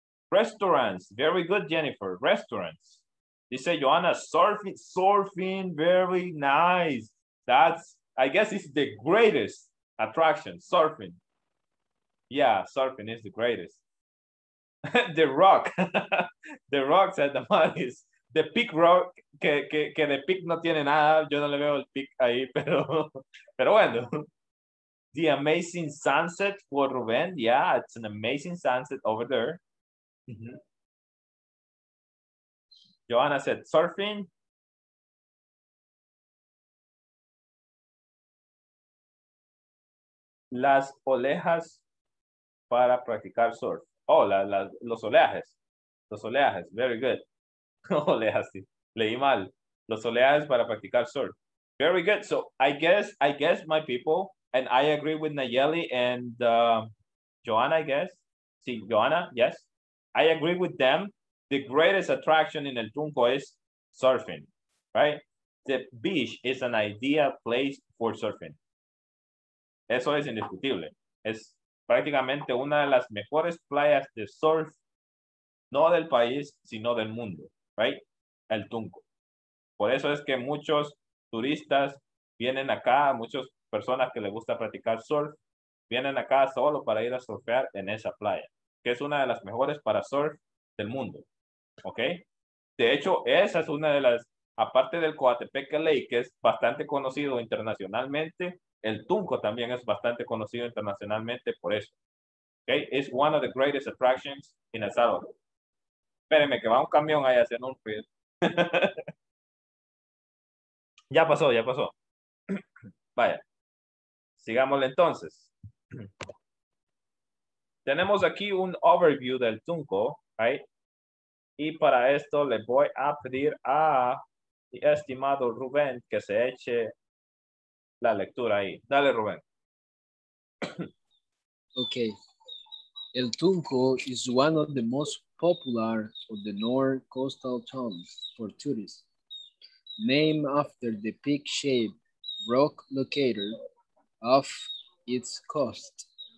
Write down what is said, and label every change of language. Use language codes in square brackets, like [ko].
[en] Restaurants. Very good, Jennifer. Restaurants. You say, Joanna, surfing. Very nice. That's, I guess it's the greatest attraction, surfing. Yeah, surfing is the greatest. The rock. The rock, said the Maris. The peak rock, [es] que de peak no tiene nada. Yo no le veo el peak ahí, pero bueno. [en] The amazing sunset for Ruben. Yeah, it's an amazing sunset over there. Joanna said surfing. [es] Las olejas para practicar surf. Oh, los oleajes. Los oleajes, [en] very good. [es] Oleajes, leí mal. Los oleajes para practicar surf. [en] Very good. So I guess my people, and I agree with Nayeli and Joanna, I guess. Sí, Joanna, yes. I agree with them. The greatest attraction in El Tunco is surfing, right? The beach is an ideal place for surfing. [es] Eso es indiscutible. Es prácticamente una de las mejores playas de surf, no del país, sino del mundo, right? El Tunco. Por eso es que muchos turistas vienen acá, muchas personas que les gusta practicar surf, vienen acá solo para ir a surfear en esa playa, que es una de las mejores para surf del mundo. Okay, de hecho, esa es una de las, aparte del Coatepeque Lake, que es bastante conocido internacionalmente, el Tunco también es bastante conocido internacionalmente por eso. [en] Okay, it's one of the greatest attractions in El Salvador. [es] Espérenme que va un camión ahí haciendo un ruido. ya pasó. Vaya, sigámosle entonces. Tenemos aquí un overview del Tunco, right? Y para esto le voy a pedir a mi estimado Rubén que se eche la lectura ahí. Dale, Rubén. Okay. [en] El Tunco is one of the most popular of the north coastal towns for tourists. Named after the peak-shaped rock located off its coast.